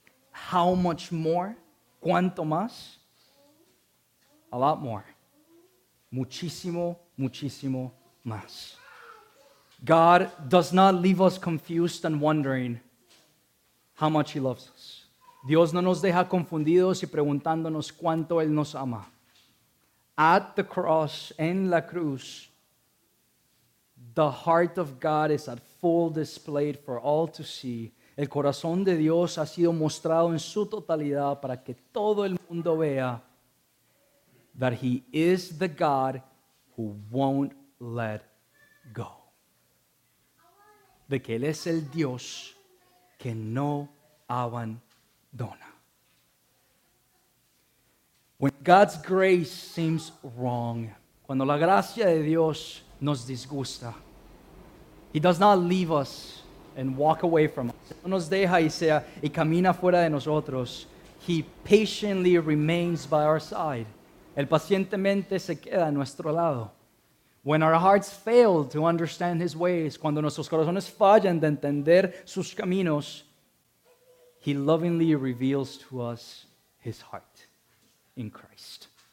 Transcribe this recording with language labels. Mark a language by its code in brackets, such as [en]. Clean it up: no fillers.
[en] How much more? [es] ¿Cuánto más? [en] A lot more. [es] Muchísimo, muchísimo más. [en] God does not leave us confused and wondering how much he loves us. [es] Dios no nos deja confundidos y preguntándonos cuánto él nos ama. [en] At the cross, [es] en la cruz, [en] the heart of God is at full display for all to see. [es] El corazón de Dios ha sido mostrado en su totalidad para que todo el mundo vea [en] that he is the God who won't let go. [es] De que él es el Dios que no abandona. [en] When God's grace seems wrong, [es] cuando la gracia de Dios nos disgusta, [en] He does not leave us and walk away from us. [es] No nos deja y sea y camina fuera de nosotros. [en] He patiently remains by our side. [es] Él pacientemente se queda a nuestro lado. [en] When our hearts fail to understand His ways, [es] cuando nuestros corazones fallan de entender sus caminos, [en] He lovingly reveals to us His heart in Christ.